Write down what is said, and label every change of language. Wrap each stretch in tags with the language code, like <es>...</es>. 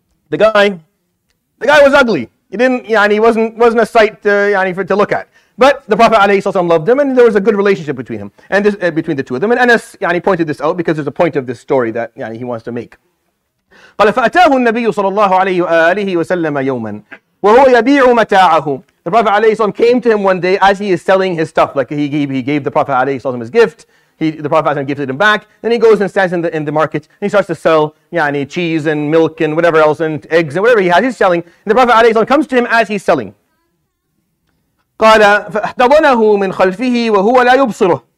<en>The guy was ugly. He didn't, yani, he wasn't a sight to look at. But the Prophet ﷺ loved him, and there was a good relationship between him and between the two of them. And Anas, yani, pointed this out because there's a point of this story that yani he wants to make.</en> <ar>قال فأتاه النبي صلى الله عليه وآله وسلم يوما وهو يبيع متاعه.</ar> <en>The Prophet ﷺ came to him one day as he is selling his stuff. Like he gave the Prophet ﷺ his gift. The Prophet ﷺ gifted him back. Then he goes and stands in the market and he starts to sell yani cheese and milk and whatever else and eggs and whatever he has. He's selling. And the Prophet ﷺ comes to him as he's selling.</en> <ar>قال فأحضنه من خلفه وهو لا يبصره.</ar>